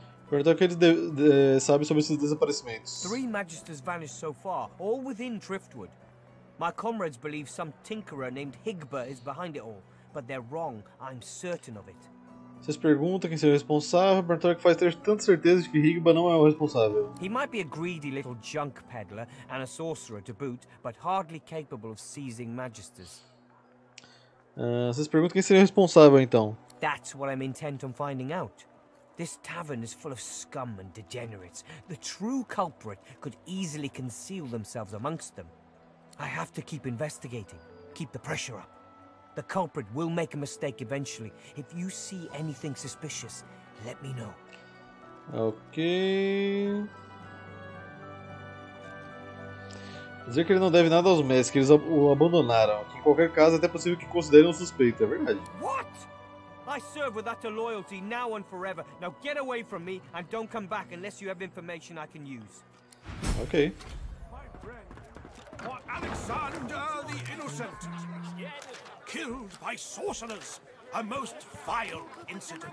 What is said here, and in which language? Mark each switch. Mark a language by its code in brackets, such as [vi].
[pt] Perguntar o que ele sabe sobre esses desaparecimentos. [en] Three magisters vanished so far, all within Driftwood. My comrades believe some tinkerer named Higba is behind it all, but they're wrong. I'm certain of it. [pt] Vocês perguntam quem seria o responsável, perguntar o que faz ter tanta certeza de que Higba não é o responsável. [en] He might be a greedy little junk peddler and a sorcerer to boot, but hardly capable of seizing magisters. [pt] Vocês perguntam quem seria o responsável então. [en] That's what I'm intent on finding out. This tavern is full of scum and degenerates. The true culprit could easily conceal themselves amongst them. I have to keep investigating. Keep the pressure up. The culprit will make a mistake eventually. If you see anything suspicious, let me know. Okay. [pt] Dizer que ele não deve nada aos mestres, que eles o abandonaram. Que em qualquer caso, é até possível que considerem um suspeito, é verdade. [en] What? I serve with utter loyalty now and forever. Now get away from me and don't come back unless you have information I can use. Okay. My friend, what Alexander the Innocent, killed by sorcerers, a most vile incident.